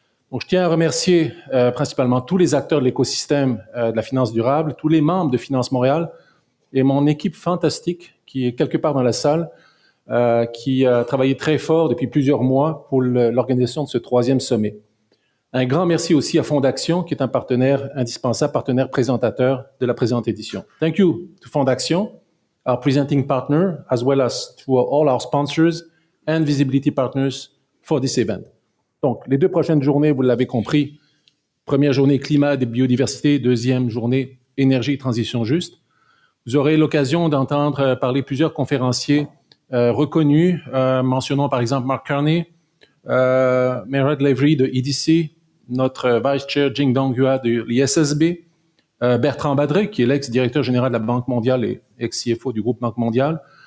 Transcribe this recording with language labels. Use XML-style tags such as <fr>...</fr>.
<fr>Donc, je tiens à remercier principalement tous les acteurs de l'écosystème de la finance durable, tous les membres de Finance Montréal et mon équipe fantastique qui est quelque part dans la salle, qui a travaillé très fort depuis plusieurs mois pour l'organisation de ce troisième sommet. Un grand merci aussi à Fondaction, qui est un partenaire indispensable, partenaire présentateur de la présente édition.</fr> <en>Thank you to Fondaction, our presenting partner, as well as to all our sponsors and visibility partners for this event.</en> <fr>Donc, les deux prochaines journées, vous l'avez compris, première journée climat et biodiversité, deuxième journée énergie et transition juste. Vous aurez l'occasion d'entendre parler plusieurs conférenciers reconnus, mentionnons par exemple Mark Carney, Merad Lavery de EDC, notre vice chair Jing Dong Hua de l'ISSB, Bertrand Badré, qui est l'ex-directeur général de la Banque mondiale et ex-CFO du groupe Banque mondiale.</fr>